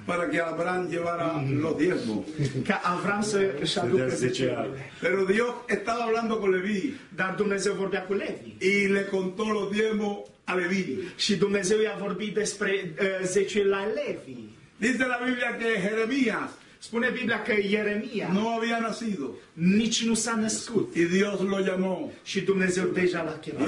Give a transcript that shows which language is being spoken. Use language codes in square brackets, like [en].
[es] Para que Abraham llevara los diezmos. [ro] Ca Avram să își aducă zecerile. [es] Pero Dios estaba hablando con Levi. [ro] Dar Dumnezeu vorbea cu Levi. [es] Y le contó los diezmos a Levi. [ro] Și Dumnezeu i-a vorbit despre zecerile la Levi. [es] Dice la Biblia que Jeremías. [ro] Spune Biblia că Ieremia [es] no había nacido. [ro] Nici nu s-a născut. [es] Y Dios lo llamó. [ro] Și Dumnezeu deja l-a chemat.